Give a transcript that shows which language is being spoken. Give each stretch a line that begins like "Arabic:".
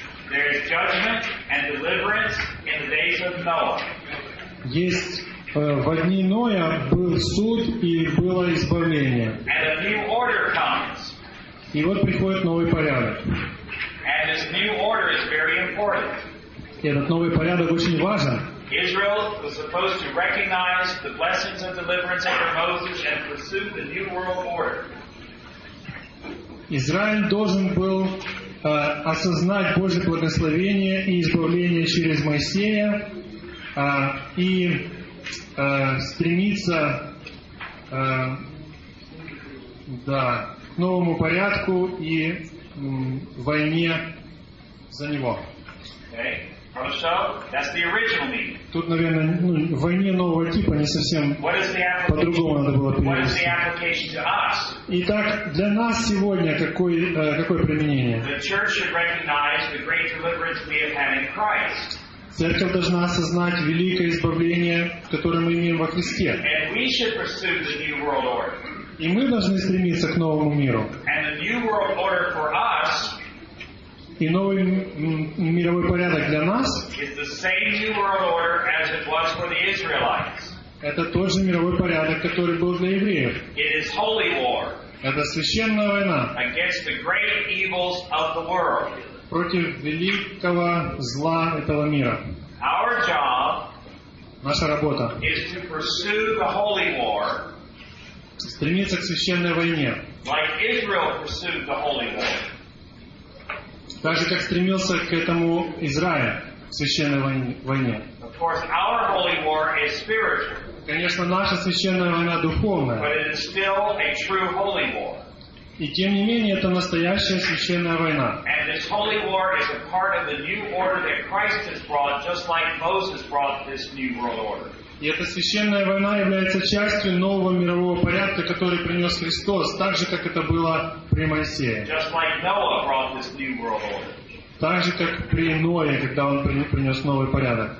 English: There is judgment and deliverance in the days of Noah.
Russian: Есть во дни Ноя был суд и было избавление.
English: And a new order comes.
Russian: И вот приходит новый порядок.
English: And this new order is very important.
Russian: И этот новый порядок очень важен.
English: Israel was supposed to recognize the blessings of deliverance under Moses and pursue the new world order.
Russian: Израиль должен был осознать Божье благословение и избавление через Моисея и стремиться да, к новому порядку и войне за него.
English: Okay. So, that's the original meaning.
Russian: Тут, наверное, ну, войне нового типа не совсем по-другому надо было перевести. Итак, для нас сегодня какое применение?
English: The church should recognize the great deliverance we have had in Christ.
Russian: Церковь должна осознать великое избавление, которое мы имеем во Христе.
English: And we should pursue the new world order.
Russian: И мы должны стремиться к новому миру.
English: And the new world order for us.
Russian: И новый мировой порядок для нас.
English: Is the same new world order as it was for the Israelites.
Russian: Это тот же мировой порядок, который был для евреев.
English: It is holy war.
Russian: Это священная война.
English: Against the great evils of the world.
Russian: Против великого зла этого мира.
English: Our job,
Russian: наша работа,
English: is to pursue the holy war,
Russian: стремиться к священной войне,
English: like Israel pursued the holy war,
Russian: так же, как стремился к этому Израиль в священной войне.
English: Of course, our holy war is spiritual.
Russian: Конечно, наша священная война духовная,
English: but it is still a true holy war.
Russian: И тем не менее, это настоящая священная война.
English: And this holy war is a part of the new order that Christ has brought, just like Moses brought this new world order.
Russian: И эта священная война является частью нового мирового порядка, который принес Христос, так же, как это было при Моисее.
English: Just like Noah brought this new world order.
Russian: Так же, как при Ное, когда он принес новый порядок.